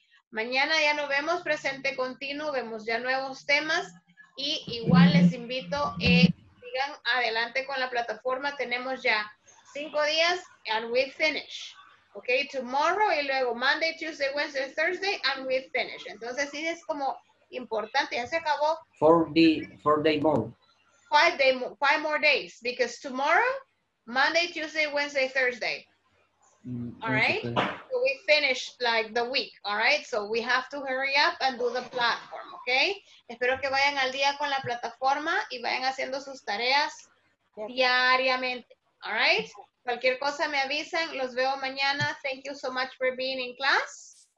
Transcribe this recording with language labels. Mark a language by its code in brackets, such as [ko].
[es] Mañana ya no vemos presente continuo, vemos ya nuevos temas y igual les invito, sigan adelante con la plataforma, tenemos ya 5 días [en] and we finish, [es] ¿ok? [en] Tomorrow [es] y luego [en] Monday, Tuesday, Wednesday, Thursday and we finish. [es] Entonces sí es como importante, ya se acabó. [en] Four days more. Five more days, because tomorrow, Monday, Tuesday, Wednesday, Thursday. All right? So we finish like the week, all right? So we have to hurry up and do the platform, okay? [es] Espero que vayan al día con la plataforma y vayan haciendo sus tareas diariamente, [en] all right? [es] Cualquier cosa me avisan, los veo mañana. [en] Thank you so much for being in class.